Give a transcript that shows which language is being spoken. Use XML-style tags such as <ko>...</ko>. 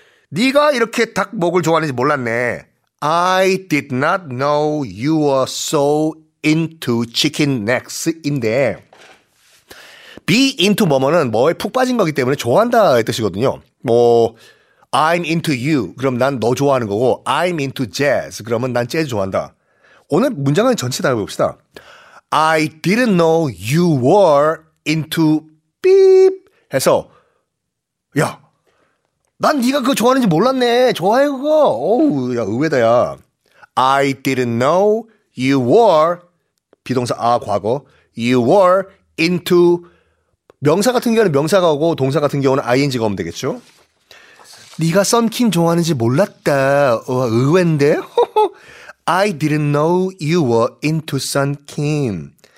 <ko>네가 이렇게 닭 목을 좋아하는지 몰랐네.</ko> <en>I did not know you were so into chicken necks인데.</en> <ko>Be into 뭐뭐는 뭐에 푹 빠진 거기 때문에 좋아한다의 뜻이거든요. 뭐</ko> <en>I'm into you.</en> <ko>그럼 난 너 좋아하는 거고</ko> <en>I'm into jazz.</en> <ko>그러면 난 재즈 좋아한다. 오늘 문장은 전체 다 해봅시다.</ko> <en>I didn't know you were into beep</en> <ko>해서 야 난 네가 그거 좋아하는지 몰랐네. 좋아해 그거. 어우 야 의외다 야.</ko> <en>I didn't know you were</en> <ko>비동사 아 과거</ko> <en>you were into</en> <ko>명사 같은 경우는 명사가 오고 동사 같은 경우는 ing가 오면 되겠죠. 네가 썬킴 좋아하는지 몰랐다. 와 의외인데.</ko> <en>I didn't know you were into Sun-Kim.</en>